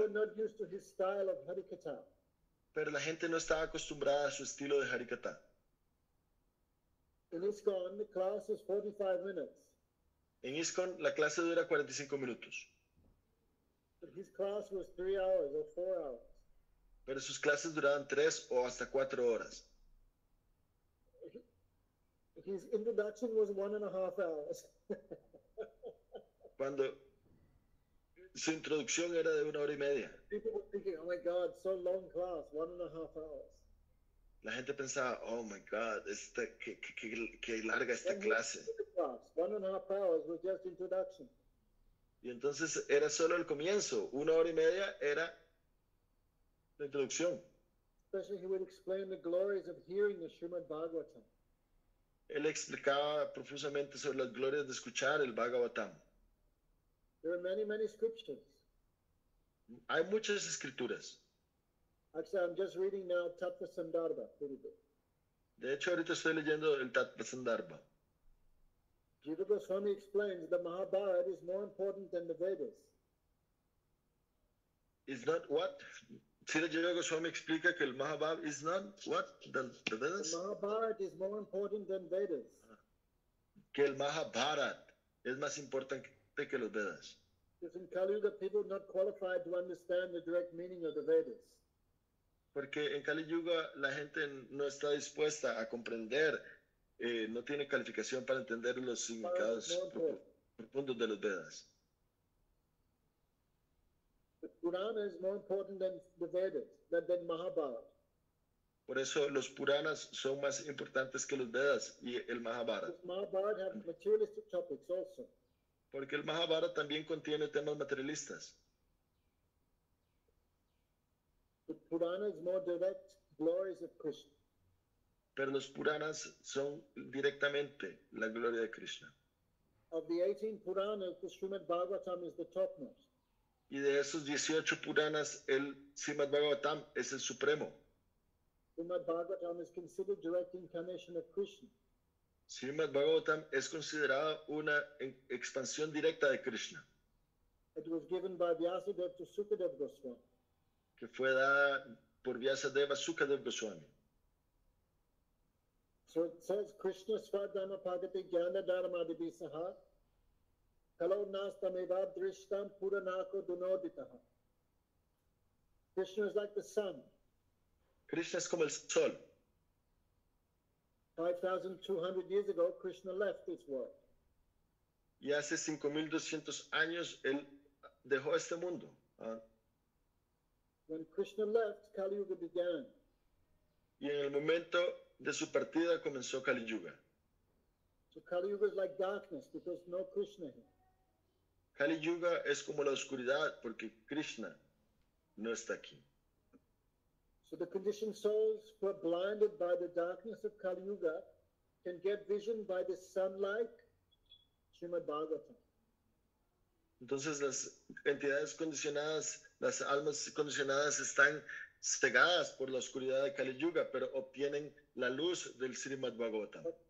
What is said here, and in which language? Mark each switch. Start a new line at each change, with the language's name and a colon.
English: People were not used to his style of Harikatha.
Spanish: Pero la gente no estaba acostumbrada a su estilo de Harikatha.
English: In ISKCON, the class is 45 minutes.
Spanish: En ISKCON, la clase dura 45 minutos.
English: But his class was 3 hours or 4 hours.
Spanish: Pero sus clases duraban 3 o hasta 4 horas.
English: His introduction was 1.5 hours.
Spanish: Cuando su introducción era de 1 hora y media.
English: People were thinking, oh my God, so long class, 1.5 hours.
Spanish: La gente pensaba,
English: oh my God,
Spanish: qué larga esta clase.
English: 1.5 hours was just introduction.
Spanish: Y entonces era solo el comienzo. 1 hora y media era la introducción.
English: Especially he would explain the glories of hearing the Srimad Bhagavatam.
Spanish: Él explicaba profusamente sobre las glorias de escuchar el Bhagavatam.
English: There are many, many scriptures.
Spanish: Hay muchas escrituras.
English: Actually, I'm just reading now Tattva Sandarbha, pretty good.
Spanish: De hecho, ahorita estoy leyendo el Tattva Sandarbha.
English: Jiva Goswami explains the Mahabharata is more important than the Vedas. Is not what? Jiva Goswami
Spanish: explica que el
English: Mahabharata is not what? The Vedas? The Mahabharata is more important than Vedas.
Spanish: Que el Mahabharata es más importante que los Vedas.
English: Because in Kali Yuga, people are not qualified to understand the direct meaning of the Vedas.
Spanish: Porque en Kali Yuga la gente no está dispuesta a comprender, no tiene calificación para entender los significados profundos de los Vedas.
English: The Purana is more important than the Vedas, than Mahabharata.
Spanish: Por eso los Puranas son más importantes que los Vedas y el Mahabharata.
English: Because Mahabharata has materialistic topics also.
Spanish: Porque el Mahabharata también contiene temas materialistas.
English: The Purana is more direct glories of Krishna.
Spanish: Pero los Puranas son directamente la gloria de Krishna.
English: Of the 18 Puranas, the Srimad Bhagavatam is the topmost.
Spanish: Y de esos 18 Puranas, el Srimad Bhagavatam es el supremo.
English: Srimad Bhagavatam is considered direct incarnation of Krishna.
Spanish: Srimad Bhagavatam es considerado una expansión directa de Krishna.
English: It was given by Vyasadev to Sukadev Goswami.
Spanish: Que fue dada por Vyasadeva Sukadev Goswami.
Sanskrit: So it says Krishna Svadharma Pagati Jnana Dharma Divisaha Kalo Nastam Eva Drishtam Puranako Dunoditaha.
English: Krishna is like the sun.
Spanish: Krishna es como el sol.
English: 5,200 years ago, Krishna left this world.
Spanish: Y hace 5,200 años, él dejó este mundo.
English: When Krishna left, Kali Yuga began.
Spanish: Y en el momento de su partida comenzó Kali Yuga.
English: So Kali Yuga is like darkness because no Krishna here.
Spanish: Kali Yuga es como la oscuridad porque Krishna no está aquí.
English: So the conditioned souls who are blinded by the darkness of Kali Yuga can get vision by the sunlight, Srimad Bhagavatam.
Spanish: Entonces las entidades condicionadas, las almas condicionadas están cegadas por la oscuridad de Kali Yuga, pero obtienen la luz del Srimad Bhagavatam.